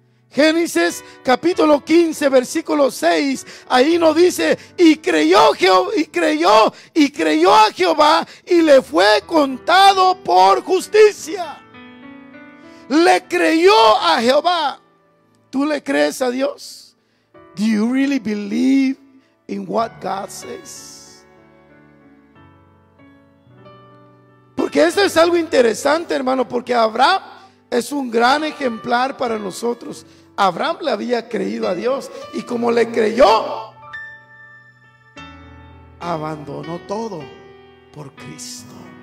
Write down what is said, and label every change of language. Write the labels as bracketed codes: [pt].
[es] Génesis capítulo 15 versículo 6, ahí nos dice, y creyó a Jehová y le fue contado por justicia. Le creyó a Jehová. ¿Tú le crees a Dios? [en] Do you really believe in what God says? [es] Porque esto es algo interesante, hermano, porque Abraham es un gran ejemplar para nosotros. Abraham le había creído a Dios, y como le creyó, abandonó todo por Cristo.